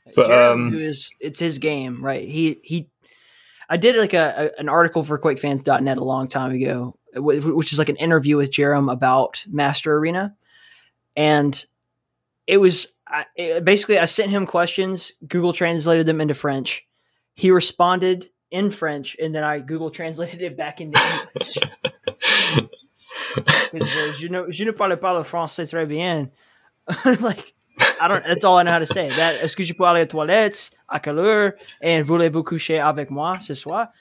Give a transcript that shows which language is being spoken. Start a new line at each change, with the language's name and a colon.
English: But Jeremy, it's his game, right? I did like an article for QuakeFans.net a long time ago, which is like an interview with Jerem about Master Arena. And I sent him questions, Google translated them into French. He responded in French, and then I Google translated it back into English.
French: je ne parle pas le français très bien.
English: Like, that's all I know how to say. That,
French: est-ce que je peux aller aux toilettes, à quelle heure, et voulez-vous coucher avec moi ce soir?